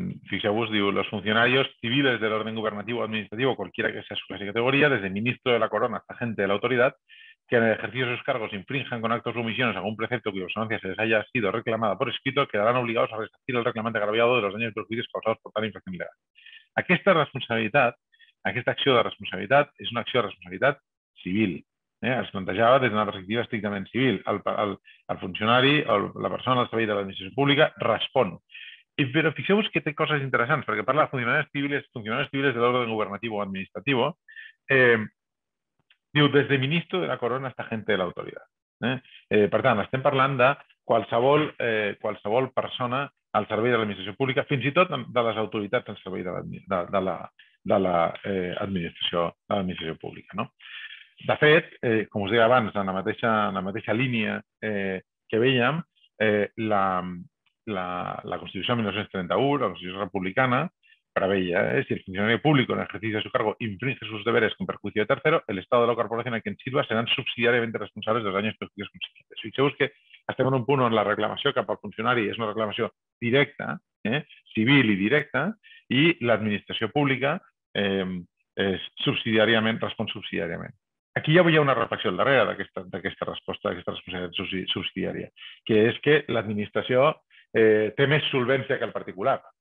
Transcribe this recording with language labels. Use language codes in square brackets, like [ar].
[ca] Fixeu-vos, diu, [es] los funcionarios civiles del orden gubernativo o administrativo, cualquiera que sea su clase y categoría, desde ministro de la corona hasta agente de la autoridad, que en el ejercicio de sus cargos infrinjan con actos o omisiones algún precepto cuya observancia se les haya sido reclamada por escrito, quedarán obligados a resarcir al reclamante agraviado de los daños y perjuicios causados por tal infracción legal. [ca] Aquesta responsabilitat, aquesta acció de responsabilitat, és una acció de responsabilitat civil. Es plantejava des d'una perspectiva estrictament civil. El funcionari o la persona al servei de l'administració pública respon. Però fixeu-vos que té coses interessants, perquè parla de funcionaris civils de l'ordre governatiu o administratiu. Diu, des de [es] ministro de la corona hasta gente de la autoridad. [ca] Per tant, estem parlant de qualsevol persona al servei de l'administració pública, fins i tot de les autoritats al servei de l'administració pública. No? De fet, com us deia abans, en la mateixa línia que vèiem, la Constitució de 1931, la Constitució republicana, preveia, si el funcionari públic [es] en ejercicio de su cargo infringe sus deberes con perjuicio de tercero, el Estado de la corporación a quien sirva serán subsidiariamente responsables de los daños perjuicios consiguientes. [ca] Fixeu-vos que estem en un punt on la reclamació cap al funcionari és una reclamació directa, civil i directa, i l'administració pública és subsidiàriament, respon subsidiàriament. Aquí ja hi ha una reflexió al darrere d'aquesta resposta, d'aquesta responsabilitat subsidiària, que és que l'administració té més solvència que el particular.